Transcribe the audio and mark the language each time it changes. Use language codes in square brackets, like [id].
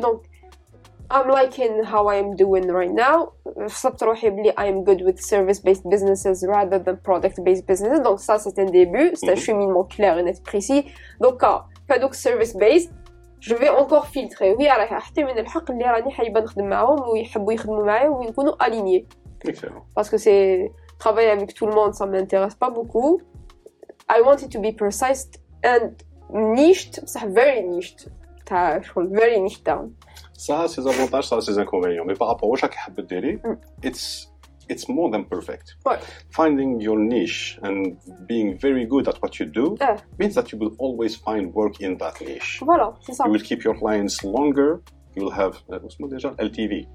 [en] Donc, I'm liking how I'm doing right now. [ar] صبت روحي بلي [en] I'm good with service-based businesses rather than product-based businesses. [fr] Donc ça, c'est un début. C'est un cheminement clair et net précis. Donc, quand donc service-based, je vais encore filtrer. Oui, alors, je vais mettre le [ar] حق اللي راني حابه نخدم معاهم ويحبوا يخدموا معايا ويكونوا [fr] alignés. Excellent. Parce que c'est travailler avec tout le monde, ça m'intéresse pas beaucoup. [en] I want it to be precise and niched, c'est very niched. Ta, je very niched down. [fr] Ça a ses avantages, ça a ses inconvénients. Mais par rapport à chaque [en] habit daily, it's more than perfect. Ouais. Finding your niche and being very good at what you do means that you will always find work in that niche. [fr] Voilà, c'est ça. [en] You will keep your clients longer, you will have, what's more déjà, LTV.